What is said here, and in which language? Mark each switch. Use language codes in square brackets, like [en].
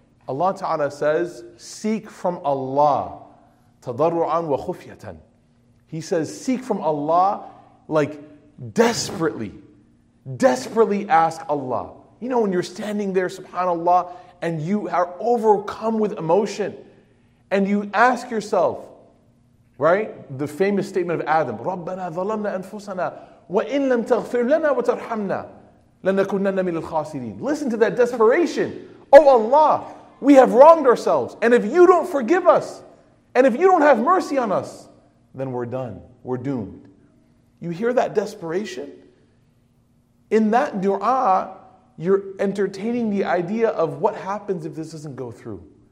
[en] Allah Ta'ala says, seek from Allah, [ar] tadarru'an wa khufyatan. [en] He says, seek from Allah, like desperately, desperately ask Allah. You know, when you're standing there, subhanAllah, and you are overcome with emotion, and you ask yourself, right? The famous statement of Adam, [ar] رَبَّنَا ظَلَمْنَا أَنفُسَنَا وَإِنْ لَمْ تَغْفِرْ لَنَا وَتَرْحَمْنَا لَنَكُنَّنَّ مِنَ الْخَاسِرِينَ. [en] Listen to that desperation. Oh Allah, we have wronged ourselves. And if you don't forgive us, and if you don't have mercy on us, then we're done. We're doomed. You hear that desperation? In that dua, you're entertaining the idea of what happens if this doesn't go through.